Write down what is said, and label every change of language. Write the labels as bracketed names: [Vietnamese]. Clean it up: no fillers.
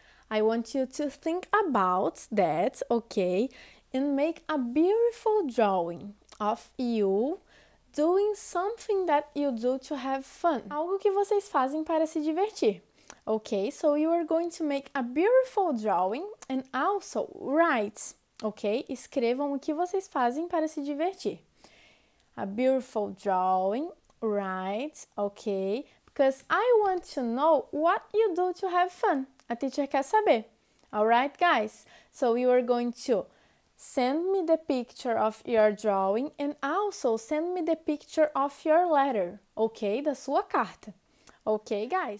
[English] I want you to think about that, ok? And make a beautiful drawing of you doing something that you do to have fun. [Portuguese] Algo que vocês fazem para se divertir. Ok? [English] So you are going to make a beautiful drawing and also write. Ok? [Portuguese] Escrevam o que vocês fazem para se divertir. [English] A beautiful drawing, right? Ok? Because I want to know what you do to have fun. [Portuguese] A teacher quer saber. [English] Alright, guys? So, you are going to send me the picture of your drawing and also send me the picture of your letter. Ok? [Portuguese] Da sua carta. [English] Ok, guys?